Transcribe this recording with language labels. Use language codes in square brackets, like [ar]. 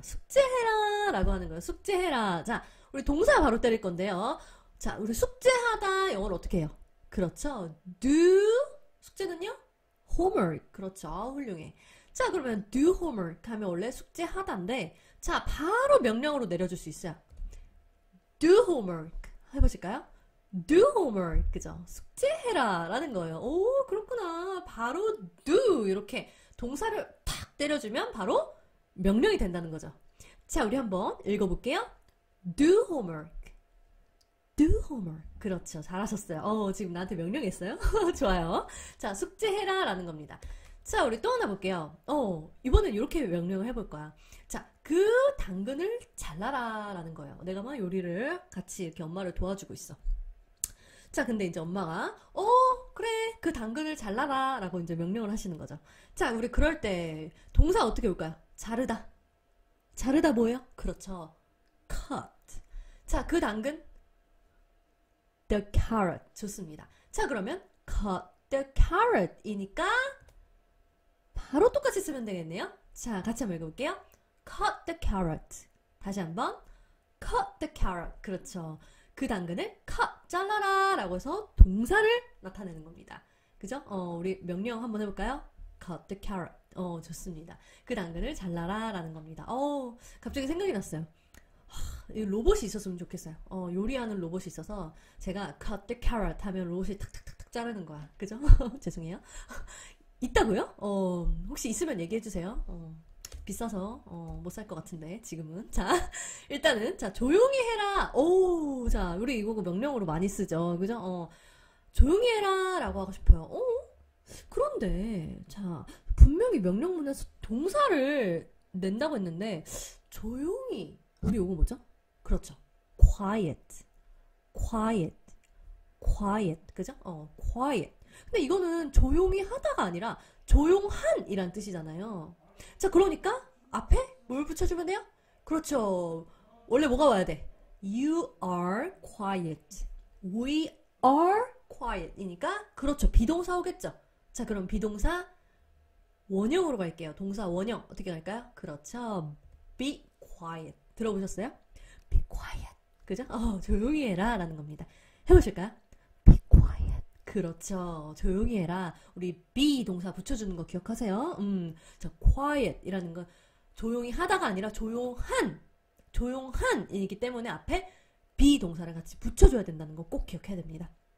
[ko] 숙제해라 라고 하는 거예요. 숙제해라. 자, 우리 동사 바로 때릴 건데요. 자, 우리 숙제하다 영어를 어떻게 해요? 그렇죠, do. 숙제는요? homework. 그렇죠, 훌륭해. 자, 그러면 [en] do homework [ko] 하면 원래 숙제하다인데, 자, 바로 명령으로 내려줄 수 있어요. [en] do homework [ko] 해보실까요? do homework, 그죠? 숙제해라 라는 거예요. 오, 그렇구나, 바로 do 이렇게 동사를 탁 때려주면 바로 명령이 된다는 거죠. 자, 우리 한번 읽어볼게요. [en] do homework, do homework. [ko] 그렇죠, 잘하셨어요. 지금 나한테 명령했어요. 좋아요. 자, 숙제해라 라는 겁니다. 자, 우리 또 하나 볼게요. 이번엔 이렇게 명령을 해볼 거야. 자, 그 당근을 잘라라 라는 거예요. 내가 막 요리를 같이 이렇게 엄마를 도와주고 있어. 자, 근데 이제 엄마가 그래, 그 당근을 잘라라 라고 이제 명령을 하시는 거죠. 자, 우리 그럴 때 동사 어떻게 올까요? 자르다. 자르다 뭐예요? 그렇죠, cut. 자, 그 당근, the carrot. 좋습니다. 자, 그러면 [en] cut the carrot [ko] 이니까 바로 똑같이 쓰면 되겠네요. 자, 같이 한번 읽어볼게요. [en] cut the carrot. [ko] 다시 한번, [en] cut the carrot. [ko] 그렇죠, 그 당근을 cut, 잘라라 라고 해서 동사를 나타내는 겁니다. 그죠? 우리 명령 한번 해볼까요? [en] cut the carrot. [ko] 좋습니다. 그 당근을 잘라라 라는 겁니다. 갑자기 생각이 났어요. 로봇이 있었으면 좋겠어요. 요리하는 로봇이 있어서 제가 [en] cut the carrot [ko] 하면 로봇이 탁탁탁탁 자르는 거야. 그죠? 죄송해요. 있다고요? 혹시 있으면 얘기해주세요. 비싸서 못 살 것 같은데 지금은. 자, 일단은, 자, 조용히 해라. 자, 우리 이거 명령으로 많이 쓰죠, 그죠? 조용히 해라 라고 하고 싶어요. 그런데 자, 분명히 명령문에서 동사를 낸다고 했는데 조용히, 우리 이거 뭐죠? 그렇죠, [en] quiet, quiet, quiet, 그죠? quiet. [ko] 근데 이거는 조용히 하다가 아니라 조용한 이란 뜻이잖아요. 자, 그러니까 앞에 뭘 붙여주면 돼요? 그렇죠, 원래 뭐가 와야 돼? [en] You are quiet, we are quiet [ko] 이니까 그렇죠, 비동사 오겠죠? 자, 그럼 비동사 원형으로 갈게요. 동사 원형 어떻게 갈까요? 그렇죠, [en] be quiet. [ko] 들어보셨어요? [en] be quiet, [ko] 그죠? 조용히 해라 라는 겁니다. 해보실까요? [en] be quiet. [ko] 그렇죠, 조용히 해라. 우리 be 동사 붙여주는 거 기억하세요? 자, quiet 이라는 건 조용히 하다가 아니라 조용한, 조용한 이기 때문에 앞에 be 동사를 같이 붙여줘야 된다는 거 꼭 기억해야 됩니다.